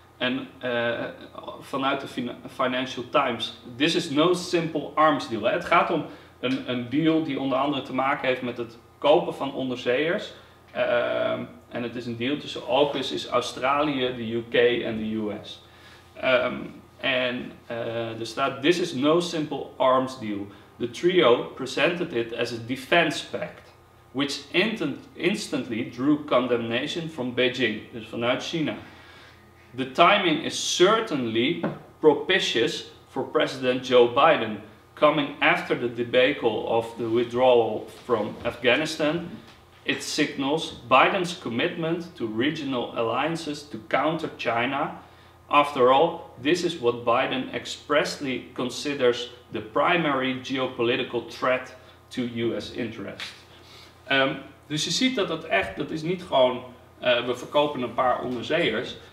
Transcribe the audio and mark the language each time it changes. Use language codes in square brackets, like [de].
[nl] En vanuit de Financial Times. [en] This is no simple arms deal. [nl] Het gaat om een deal die onder andere te maken heeft met het kopen van onderzeeërs. En het is een deal tussen AUKUS is Australië, de UK en de US. En er staat, [en] this is no simple arms deal. The trio presented it as a defense pact, which instantly drew condemnation from Beijing, [nl] dus vanuit China. [en] The timing is certainly propitious for President Joe Biden, coming after the debacle of the withdrawal from Afghanistan. It signals Biden's commitment to regional alliances to counter China. After all, this is what Biden expressly considers the primary geopolitical threat to US interests. [nl] Dus je ziet dat dat is niet gewoon we verkopen een paar onderzeeërs.